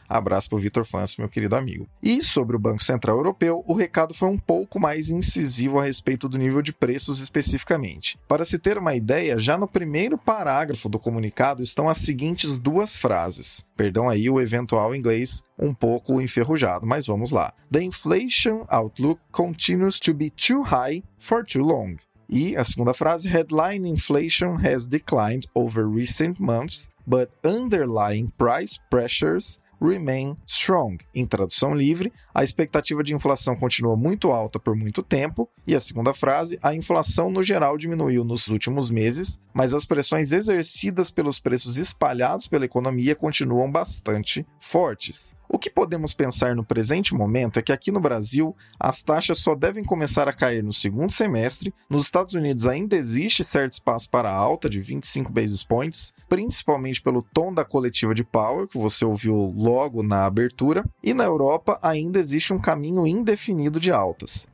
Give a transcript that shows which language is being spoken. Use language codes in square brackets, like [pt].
[pt] Abraço para o Vitor Fancio, meu querido amigo. E sobre o Banco Central Europeu, o recado foi um pouco mais incisivo a respeito do nível de preços especificamente. Para se ter uma ideia, já no primeiro parágrafo do comunicado estão as seguintes duas frases. Perdão aí o eventual inglês um pouco enferrujado, mas vamos lá. [en] The inflation outlook continues to be too high for too long. [pt] E a segunda frase, [en] headline inflation has declined over recent months, but underlying price pressures remain strong. [pt] Em tradução livre, a expectativa de inflação continua muito alta por muito tempo. E a segunda frase, a inflação no geral diminuiu nos últimos meses, mas as pressões exercidas pelos preços espalhados pela economia continuam bastante fortes. O que podemos pensar no presente momento é que aqui no Brasil as taxas só devem começar a cair no segundo semestre, nos Estados Unidos ainda existe certo espaço para alta de 25 basis points, principalmente pelo tom da coletiva de Powell, que você ouviu logo na abertura, e na Europa ainda existe um caminho indefinido de altas.